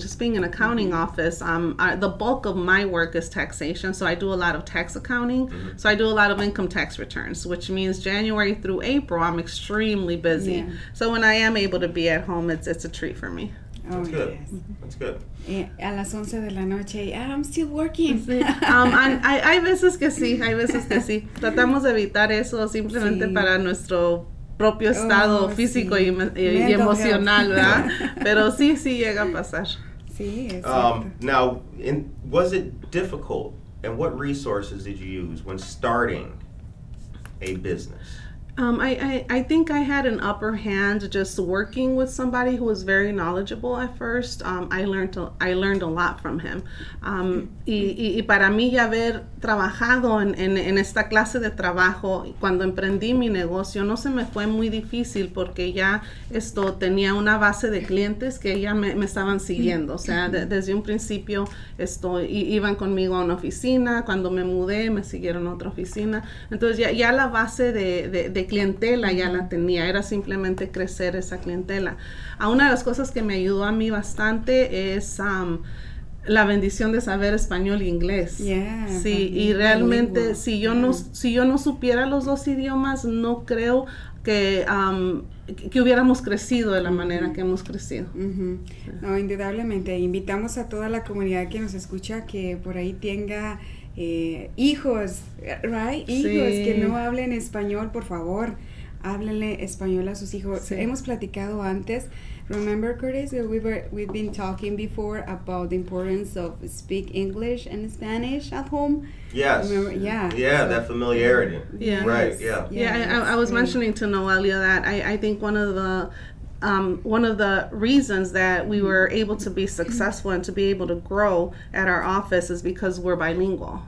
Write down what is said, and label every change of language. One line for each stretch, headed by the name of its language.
English: Just being an accounting office, the bulk of my work is taxation, so I do a lot of tax accounting. Mm-hmm. So I do a lot of income tax returns, which means January through April, I'm extremely busy. Yeah. So when I am able to be at home, it's a treat for me. That's good. Yes. That's good.
Spanish: A las 11 de la noche,
English: I'm still working.
Spanish: Hay veces que sí, hay veces que sí. Tratamos de evitar eso simplemente sí. Para nuestro propio estado físico sí. y emocional, ¿verdad? Pero sí, sí llega a pasar. Sí, exacto.
English: Now, was it difficult, and what resources did you use when starting a business? I think I had an upper hand just working with somebody who was very knowledgeable at first. I learned a lot from him.
Spanish: Y para mí ya haber trabajado en esta clase de trabajo, cuando emprendí mi negocio, no se me fue muy difícil porque ya esto tenía una base de clientes que ya me estaban siguiendo. O sea, desde un principio iban conmigo a una oficina. Cuando me mudé, me siguieron a otra oficina. Entonces ya la base de clientela ya la tenía, era simplemente crecer esa clientela. Una de las cosas que me ayudó a mí bastante es la bendición de saber español e inglés.
English: Yeah,
Spanish: sí, y realmente si yo no supiera los dos idiomas, no creo que hubiéramos crecido de la manera que hemos crecido. No, indudablemente. Invitamos a toda la comunidad que nos escucha que por ahí tenga hijos, right? Hijos sí. Que no hablen español, por favor, háblenle español a sus hijos. Sí. Hemos platicado antes.
English: Remember, Curtis, we've been talking before about the importance of speak English and Spanish at home. Yes. Remember? Yeah. Yeah, so, that familiarity. Yeah. Right. Yeah. Yeah. I was mentioning to Noelia that I think one of the reasons that we were able to be successful and to be able to grow at our office is because we're bilingual.